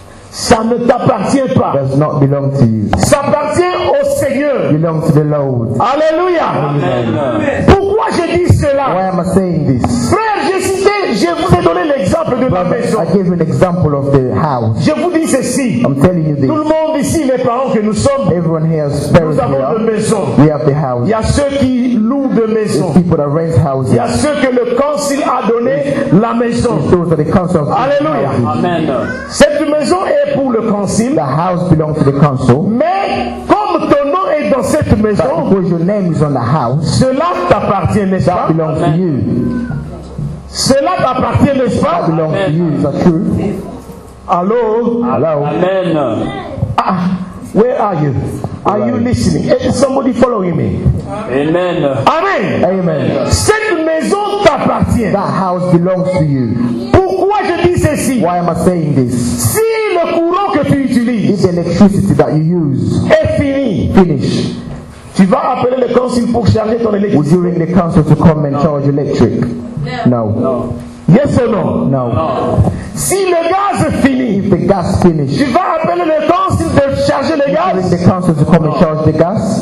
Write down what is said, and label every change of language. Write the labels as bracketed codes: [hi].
[fr] Ça ne t'appartient pas. [en] Does not belong to you. [fr] Ça appartient au Seigneur. [en] Belongs to the Lord. Alléluia. Amen. [fr] Pourquoi je dis cela? [en] Why am I saying this? [fr] Frère, je vous ai donné l'exemple de [en] Brother, [fr] ma maison. [en] I gave you an example of the house. [fr] Je vous dis ceci. [en] I'm telling you this. [fr] Tout le monde ici, les parents que nous sommes. [en] Everyone here has parents. [fr] Nous avons une maison. [en] We have the house. [fr] Il y a ceux qui louent de maison. [en] There's people that rent houses. [fr] Il y a ceux que le council a donné la maison. [en] Those that the council. Alléluia. Amen. [fr] Cette maison est pour le council. [en] The house belongs to the council. [fr] Mais comme ton nom est dans cette maison. [en] But because your name is on the house. [fr] Cela t'appartient, n'est-ce pas? [en] That belongs to you. [fr] Cela t'appartient, n'est-ce pas? [en] That belongs to you, is that true? Allô? Allô? Amen. Where are you? Are you listening? Is somebody following me? Amen. Amen. Amen. [fr] Cette maison t'appartient. [en] That house belongs to you. [fr] Pourquoi je dis ceci? [en] Why am I saying this? [fr] Si le courant que tu utilises, [en] if the electricity that you use, [fr] est fini, [en] finish. [fr] Tu vas appeler le council pour charger ton électricité. [en] Would you ring the council to come and charge electric? No. No. Yes or no? No. [fr] Si le gaz est fini, [en] if the gas finished, [fr] tu vas appeler le council pour charger le gaz. [en] Would you ring the council to come and charge the gas?